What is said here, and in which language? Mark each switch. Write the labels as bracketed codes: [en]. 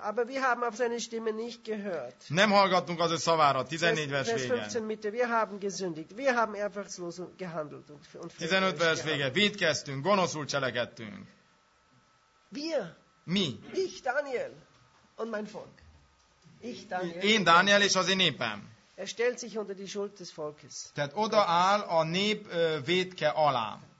[de] Aber wir haben auf seine Stimme nicht gehört. [hu] Nem hallgattunk az ő szavára. 14 vers vége. [de] Vers 15. Mitte. Wir haben gesündigt. Wir haben ehrfurchtslos gehandelt. [hu] 15 vers vége. Vétkeztünk, gonoszul cselekedtünk. [de] Wir. [hu] Mi. [de] Ich, Daniel. Und mein Volk. Ich, Daniel. [hu] Én, Daniel, és az én népem. [de] Er stellt sich unter die Schuld des Volkes. [hu] Tehát odaáll a nép vétke alá.